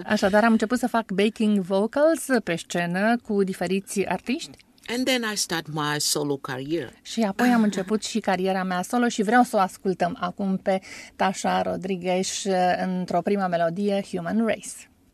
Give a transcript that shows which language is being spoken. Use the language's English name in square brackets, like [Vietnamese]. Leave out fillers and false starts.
[Romanian] Așadar, am început să fac backing vocals pe scenă cu diferiți artiști. [English] And then I start my solo career. [Romanian] Și apoi am început și cariera mea solo și vreau să o ascultăm acum pe Tasha Rodriguez într-o prima melodie, Human Race.